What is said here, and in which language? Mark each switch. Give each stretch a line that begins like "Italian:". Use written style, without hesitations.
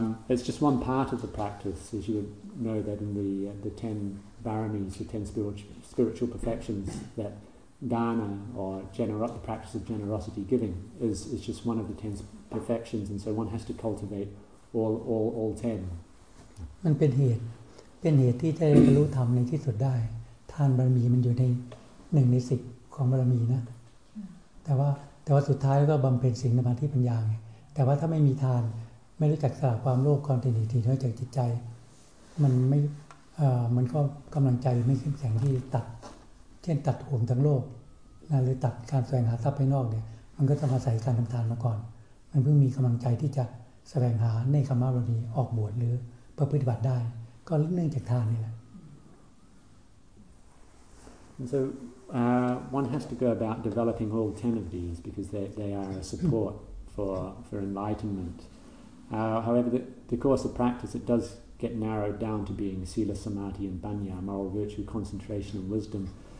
English: It's just one part of the practice, as you would know that in the ten baramis, the ten spiritual perfections that. Dana or the practice of generosity giving is just one of the ten perfections, and so one has to cultivate all ten.
Thai: มันเป็นเหตุที่จะได้บรรลุธรรมในที่สุดได้ทานบารมีมันอยู่ใน1ใน10ของบารมีนะแต่ว่าสุดท้ายก็บำเพ็ญศีลสมาธิปัญญาไงแต่ว่าถ้าไม่มีทานไม่รู้จักสละความโลภความตณหาที่น้อยจากจิตใจมันก็กำลังใจไม่เข้มแข็งที่ตัดเช่นตัดห่วงทั้งโลกนะหรือตัดการแสวงหาทรัพย์ภายนอกเนี่ยมันก็ต้องอาศัยการทำทานมาก่อนมันเพิ่งมีกำลังใจที่จะแสวงหาในคำว่าบารมีออกบวชหรือประพฤติบัติได้ก็เนื่องจากทานนี่แหละ
English: And so one has to go about developing all 10 of these because they are a support for enlightenment. However, the course of practice it does get narrowed down to being sila, samadhi, and banya, moral virtue, concentration, and wisdom.